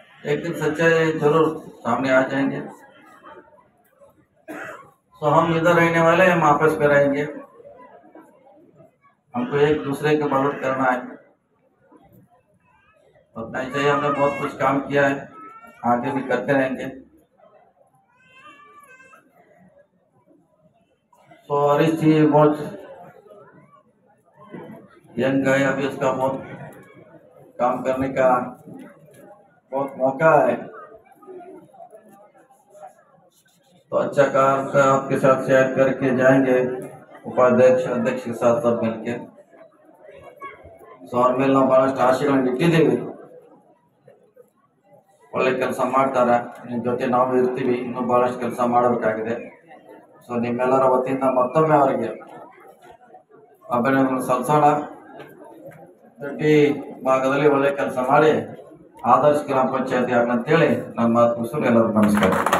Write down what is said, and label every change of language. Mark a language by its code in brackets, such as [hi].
[hi] एक दिन सच्चाई जरूर सामने आ जाएंगे तो हम इधर रहने वाले हैं आपस पे रहेंगे हमको एक दूसरे की मदद करना है उतना ही चाहिए हमने बहुत कुछ काम किया है आगे भी करते रहेंगे तो हरीश जी बहुत यंग है अभी उसका बहुत काम करने का बहुत मौका है, तो अच्छा काम का आपके साथ शेयर करके जाएंगे उपाध्यक्ष अध्यक्ष के साथ सब मिलके। सौर मिलना बड़ा आशीर्वाद डिप्टी देवी [kn] ಒಳ್ಳೆ ಕೆಲಸ ಮಾಡ್ತಾರೆ, ನಿಮ್ಮ ಜೊತೆ ನಾವು ಇರ್ತೀವಿ, ಇನ್ನೂ ಭಾಳಷ್ಟು ಕೆಲಸ ಮಾಡಬೇಕಾಗಿದೆ. ಸೊ ನಿಮ್ಮೆಲ್ಲರ ವತಿಯಿಂದ ಮತ್ತೊಮ್ಮೆ ಅವರಿಗೆ ಅಭಿನಂದನೆ ಸಲ್ಲಿಸೋಣ. ಪ್ರತಿ ಭಾಗದಲ್ಲಿ ಒಳ್ಳೆ ಕೆಲಸ ಮಾಡಿ ಆದರ್ಶ ಗ್ರಾಮ ಪಂಚಾಯತಿ ಆಗಂತೇಳಿ ನನ್ನ ಮಾತು ಮುಗಿಸಲು ಎಲ್ಲರೂ ನಮಸ್ಕಾರ.